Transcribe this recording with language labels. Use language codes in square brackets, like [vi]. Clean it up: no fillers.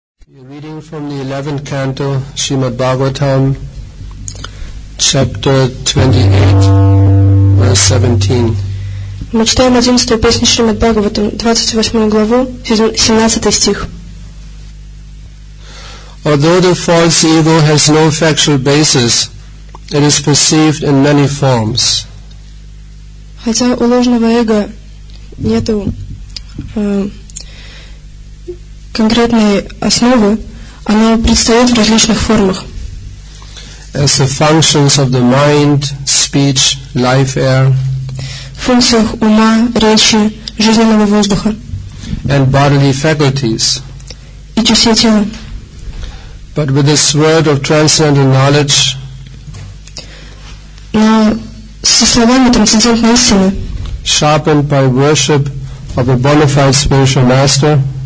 [en] Reading from the 11th canto, Srimad Bhagavatam, chapter 28, verse 17. [ru] Мы читаем 11-ю песню Srimad Bhagavatam, 28 главу, 17 стих. [en] Although the false ego has no factual basis, it is perceived in many forms. [ru] Хотя у ложного эго нету конкретной основы, оно предстает в различных формах. [en] As the functions of the mind, speech, life air. [ru] В функциях ума, речи, жизненного воздуха. [en] And bodily faculties. [ru] И чувства тела. [en] But with this word of transcendental knowledge. [ru] Но со словами трансцендентной истины. [en] Sharpened by worship of a bona fide spiritual master.